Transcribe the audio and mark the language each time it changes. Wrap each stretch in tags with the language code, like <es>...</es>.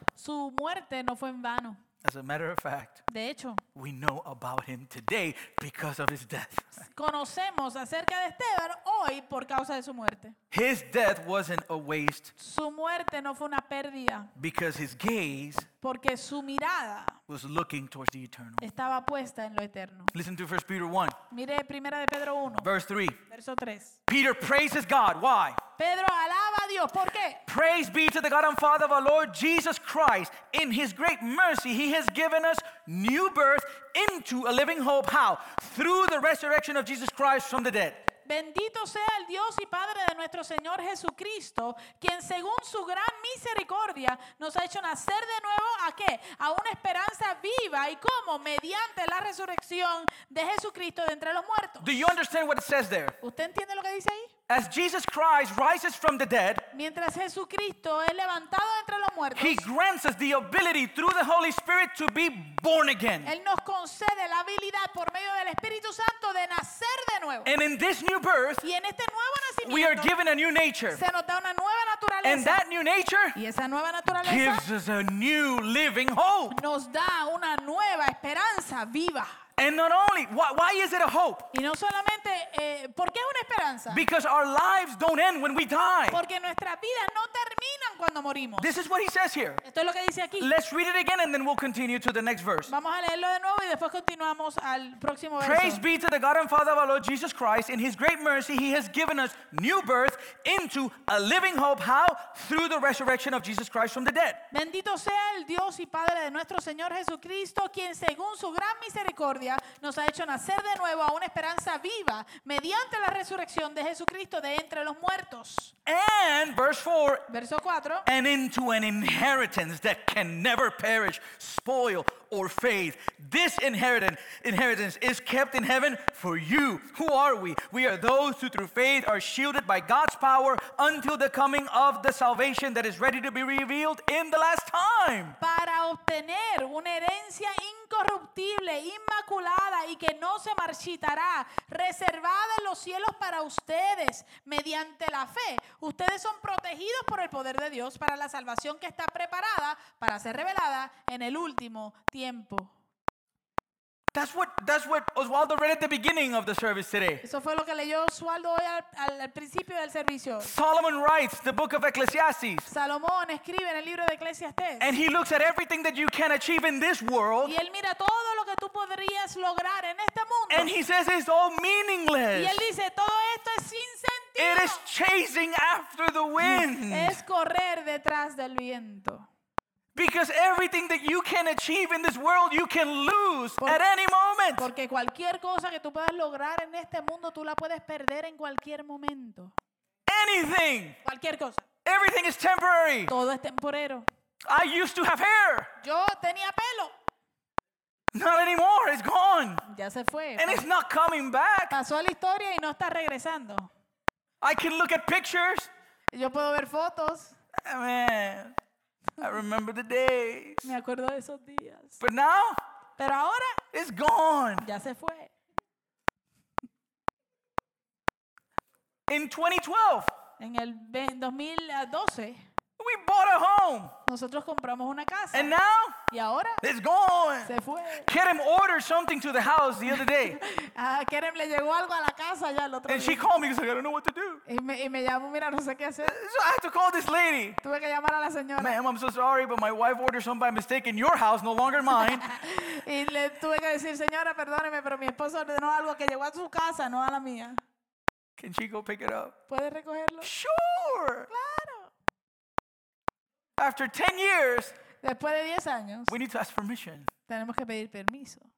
<es>Su muerte no fue en vano.</es> <en>As a matter of fact,</en> <es>de hecho,</es> <en>we know about him today because of his death.</en> <es>Conocemos acerca de Esteban hoy por causa de su muerte.</es> <en>His death wasn't a waste.</en> <es>Su muerte no fue una pérdida.</es> <en>Because his gaze,</en> <es>porque su mirada,</es> <en>was looking towards the eternal.</en> <es>Estaba puesta en lo eterno.</es> <en>Listen to 1 Peter 1.</en> <es>Mire primera de Pedro 1.</es> <en>Verse 3.</en> <es>Verso 3.</es> <en>Peter praises God. Why?</en> <es>Pedro alaba a Dios. ¿Por qué?</es> <en>Praise be to the God and Father of our Lord Jesus Christ. In his great mercy, he has given us new birth into a living hope. How? Through the resurrection of Jesus Christ from the dead.</en> <es>Bendito sea el Dios y Padre de nuestro Señor Jesucristo, quien según su gran misericordia nos ha hecho nacer de nuevo, ¿a qué? A una esperanza viva, ¿y cómo? Mediante la resurrección de Jesucristo de entre los muertos.</es> <en>Do you understand what it says there?</en> <es>¿Usted entiende lo que dice ahí?</es> <en>As Jesus Christ rises from the dead,</en> <es>mientras Jesucristo es levantado entre los muertos,</es> <en>he grants us the ability through the Holy Spirit to be born again.</en> <es>Él nos concede la habilidad por medio del Espíritu Santo de nacer de nuevo.</es> <en>And in this new birth,</en> <es>y en este nuevo nacimiento,</es> <en>we are given a new nature.</en> <es>Se nos da una nueva naturaleza.</es> <en>And that new nature,</en> <es>y esa nueva naturaleza,</es> <en>gives us a new living hope.</en> <es>Nos da una nueva esperanza viva.</es> <en>And not only, why is it a hope?</en> <es>Y no solamente, ¿por qué es una esperanza?</es> <en>Because our lives don't end when we die.</en> <es>Porque nuestras vidas no terminan cuando morimos.</es> <en>This is what he says here.</en> <es>Esto es lo que dice aquí.</es> <en>Let's read it again and then we'll continue to the next verse.</en> <es>Vamos a leerlo de nuevo y después continuamos al próximo verso.</es> <en>Praise be to the God and Father of our Lord Jesus Christ. In his great mercy, he has given us new birth into a living hope. How? Through the resurrection of Jesus Christ from the dead.</en> <es>Bendito sea el Dios y Padre de nuestro Señor Jesucristo, quien según su gran misericordia nos ha hecho nacer de nuevo a una esperanza viva mediante la resurrección de Jesucristo de entre los muertos.</es> <en>And verse 4.</en> <es>Verso 4.</es> <en>And into an inheritance that can never perish, spoil or fade. This inheritance is kept in heaven for you. Who are we? We are those who through faith are shielded by God's power until the coming of the salvation that is ready to be revealed in the last time.</en> <es>Para obtener una herencia incorruptible, inmaculada y que no se marchitará, reservada en los cielos para ustedes mediante la fe. Ustedes son protegidos por el poder de Dios para la salvación que está preparada para ser revelada en el último tiempo.</es> <en>That's what Oswaldo read at the beginning of the service today.</en> <es>Eso fue lo que leyó Oswaldo hoy al principio del servicio.</es> <en>Solomon writes the book of Ecclesiastes.</en> <es>Salomón escribe en el libro de Eclesiastés.</es> <en>And he looks at everything that you can achieve in this world.</en> <es>Y él mira todo lo que tú podrías lograr en este mundo.</es> <en>And he says it's all meaningless.</en> <es>Y él dice todo esto es sin sentido.</es> <en>It is chasing after the wind.</en> <es>Es correr detrás del viento.</es> <en>Because everything that you can achieve in this world, you can lose at any moment.</en> <es>Porque cualquier cosa que tú puedas lograr en este mundo, tú la puedes perder en cualquier momento.</es> <en>Anything.</en> <es>Cualquier cosa.</es> <en>Everything is temporary.</en> <es>Todo es temporero.</es> <en>I used to have hair.</en> <es>Yo tenía pelo.</es> <en>Not anymore. It's gone.</en> <es>Ya se fue.</es> <en>And it's not coming back.</en> <es>Pasó a la historia y no está regresando.</es> <en>I can look at pictures.</en> <es>Yo puedo ver fotos.</es> <en>Amen. I remember the days.</en> <es>Me acuerdo de esos días.</es> <en>But now,</en> <es>pero ahora,</es> <en>it's gone.</en> <es>Ya se fue.</es> <en>In 2012,</en> <es>en el 2012,</es> <en>we bought a home.</en> <es>Nosotros compramos una casa.</es> <en>And now,</en> <es>y ahora,</es> <en>it's gone.</en> <es>Se fue.</es> <en>Kerem ordered something to the house the other day.</en> <es>Kerem le llegó algo a la casa ya el otro día.</es> <en>And she called me because I don't know what to do.</en> <es>Y me llamó, mira, no sé qué hacer.</es> <en>So I had to call this lady.</en> <es>Tuve que llamar a la señora.</es> <en>Ma'am, I'm so sorry, but my wife ordered something by mistake in your house, no longer mine.</en> <es>Y le tuve que decir, señora, perdóneme, pero mi esposo ordenó algo que llegó a su casa, no a la mía.</es> <en>Can she go pick it up?</en> <es>¿Puede recogerlo?</es> <en>Sure.</en> <es>Claro.</es> <en>After 10 years,</en> <es>después de 10 años,</es> <en>we need to ask permission.</en> <es>Tenemos que pedir permiso.</es>